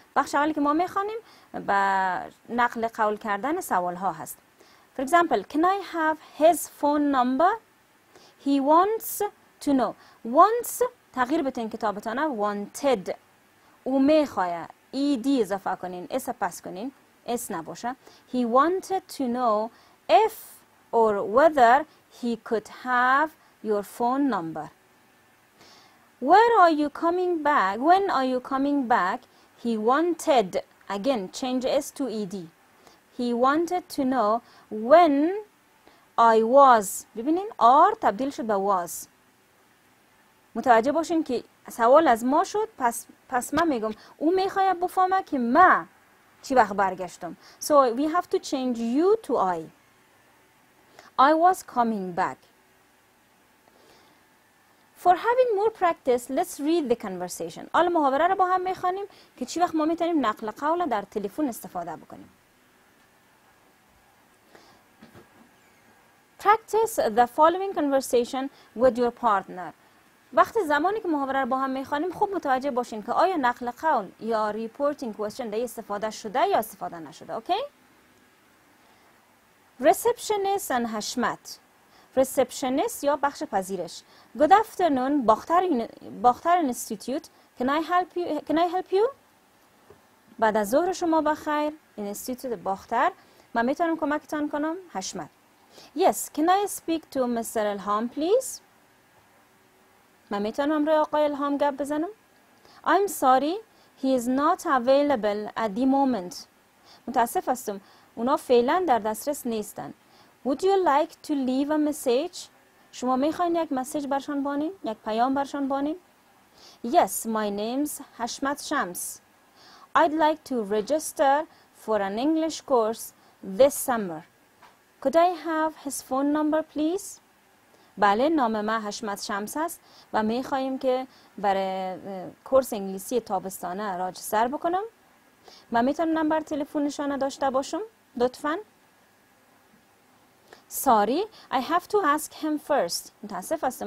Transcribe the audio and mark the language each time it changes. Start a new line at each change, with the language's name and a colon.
Persian: بخش اولی که ما میخوانیم با نقل قول کردن سوال ها هست.
English: For example, can I have his phone number? He wants to know.
Persian: Wants تغییر بتین کتابتانه wanted، او میخواه، ed اضافه کنین، اس پس کنین، اس نباشه.
English: He wanted to know if or whether he could have your phone number. Where are you coming back? When are you coming back? He wanted again change s to ed. He wanted to know when I was.
Persian: ببینین are تبدیل شد به was. متوجه باشین که سوال از ما شد، پس من میگم او میخواد بفهمه که ما چی وقت برگشتم.
English: So we have to change you to I. I was coming back. For having more practice, let's read the conversation.
Persian: حالا محاوره رو با هم میخوانیم که چی وقت ما میتونیم نقل قول در تلفن استفاده بکنیم.
English: Practice the following conversation with your partner.
Persian: وقت زمانی که محاوره رو با هم میخوانیم خوب متوجه باشین که آیا نقل قول یا
English: reporting question
Persian: در استفاده شده یا استفاده نشده.
English: Okay? Receptionist and Hashmat. Receptionist
Persian: یا بخش پذیرش.
English: Good afternoon, Bakhtarian Institute. Can I help you?
Persian: بعد از ظهر شما بخیر. Institute Bakhtar. من میتونم کمکتان کنم. Hashmat.
English: Yes, can I speak to Mr. Elham, please?
Persian: من میتونم روی آقای الهام گپ بزنم.
English: I'm sorry, he is not available at the moment.
Persian: متاسف هستم. اونا فعلا در دسترس نیستن.
English: Would you like to leave a message?
Persian: شما میخواین یک مسیج برشان بانیم؟ یک پیام برشان بانیم؟
English: Yes, my name's Hashmat Shams. I'd like to register for an English course this summer. Could I have his phone number, please?
Persian: بله، نام من هشمت شمس است و میخواییم که برای کورس انگلیسی تابستانه راجستر بکنم. من میتونم نمبر تلفونشان داشته باشم؟ لطفاً.
English: Sorry, I have to ask him first.
Persian: متاسف هستم.